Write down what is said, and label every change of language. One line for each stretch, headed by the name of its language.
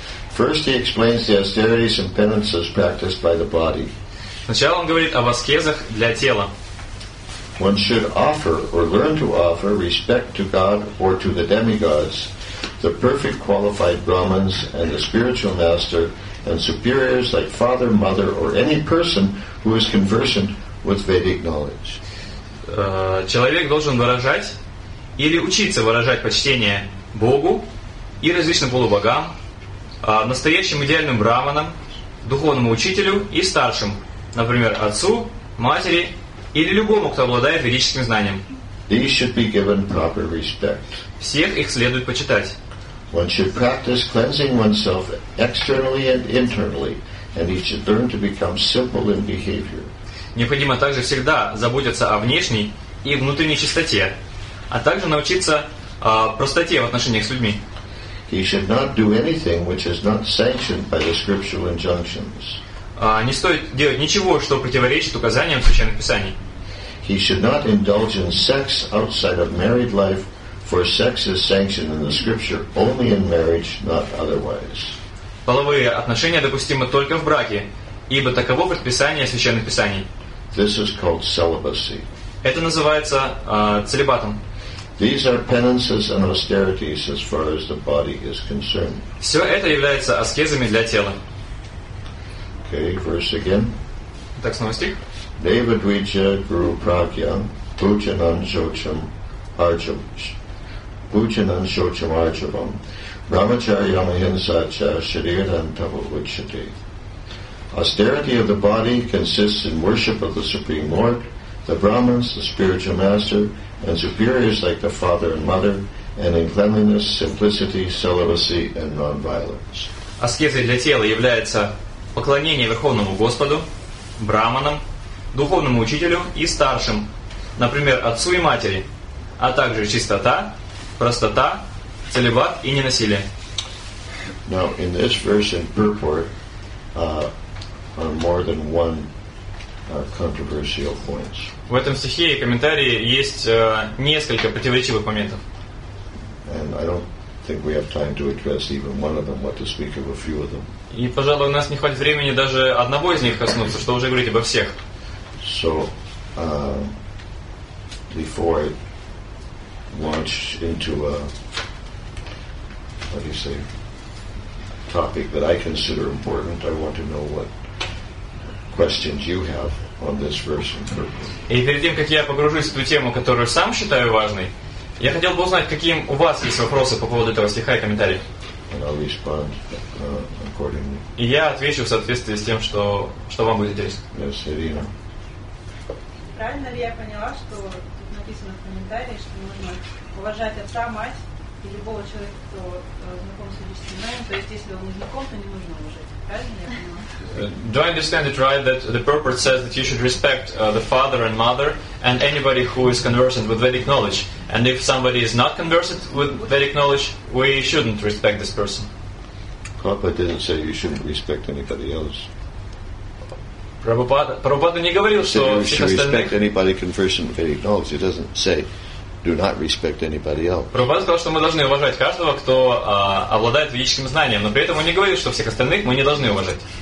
English: First he explains the austerities and penances practiced by the body.
Russian: Сначала он говорит об аскезах для тела.
English: One should offer or learn to offer respect to God or to the demigods, the perfect qualified Brahmins and the spiritual master and superiors like father, mother or any person who is conversant with Vedic knowledge.
Russian: Человек должен выражать или учиться выражать почтение Богу и различным полубогам, настоящим идеальным Брахманам, духовному учителю и старшим, например, отцу, матери или любому, кто обладает ведическим знанием.
English: These should be given proper respect.
Russian: Всех их следует почитать.
English: One should practice cleansing oneself externally and internally, and he should learn to become simple in behavior.
Russian: Необходимо также всегда заботиться о внешней и внутренней чистоте, а также научиться простоте в отношениях с людьми.
English: He should not do anything which is not sanctioned by the scriptural injunctions.
Russian: Не стоит делать ничего, что противоречит указаниям Священных Писаний.
English: He should not indulge in sex outside of married life, for sex is sanctioned in the scripture only in marriage, not otherwise.
Russian: Половые отношения допустимы только в браке, ибо таково предписание Священных Писаний.
English: This is called celibacy.
Russian: Это называется целибатом.
English: These are penances and austerities as far as the body is concerned.
Russian: Все это является аскезами для тела.
English: Okay, verse again.
Russian: Так снова стих.
Sanskrit: Deva Dvicha Guru Pragyam Pujanam Shocham Arjavam Pujanam Shocham Arjavam Brahmacharya Mahinsacha Shadiran Tava Uchate.
English: Austerity of the body consists in worship of the Supreme Lord, the Brahmins, the spiritual master, and superiors like the father and mother, and in cleanliness, simplicity, celibacy, and non-violence.
Russian: Аскезы для тела является поклонение Верховному Господу, Брахманам, духовному учителю и старшим, например, отцу и матери, а также чистота, простота, целибат и ненасилие.
English: Now, in this verse in purport, are more than one controversial points.
Russian: В этом стихе и комментарии есть несколько противоречивых моментов.
English: And I don't think we have time to address even one of them, what to speak of a few of them.
Russian: И, пожалуй, у нас не хватит времени даже одного из них коснуться, что уже говорить обо всех.
English: So, before I launch into a, what do you say, topic that I consider important, I want to know what questions you have on this verse.
Russian: И перед тем, как я погружусь в ту тему, которую сам считаю важной, я хотел бы узнать, какие у вас есть вопросы по поводу этого стиха и комментарий.
English: And I'll respond accordingly.
Russian: И я отвечу в соответствии с тем, что вам будет интересно.
English: Yes, Ирина.
Russian: Правильно ли я поняла, что тут написано в комментарии, что нужно уважать отца, мать и любого человека, кто знаком с ведическим знанием, то есть если он не знаком, то не нужно уважать. Правильно я поняла?
English: Do I understand it right that the purport says that you should respect the father and mother and anybody who is conversant with Vedic knowledge? And if somebody is not conversant with Vedic knowledge, we shouldn't respect this person. Prabhupada didn't say you shouldn't respect anybody else.
Russian: Prabhupada не говорил, что
English: you should respect anybody conversant with Vedic knowledge. He doesn't say do not respect anybody else.
Russian: Prabhupada сказал, что мы должны уважать каждого, кто обладает ведическим знанием, но при этом он не говорил, что всех остальных мы не должны уважать.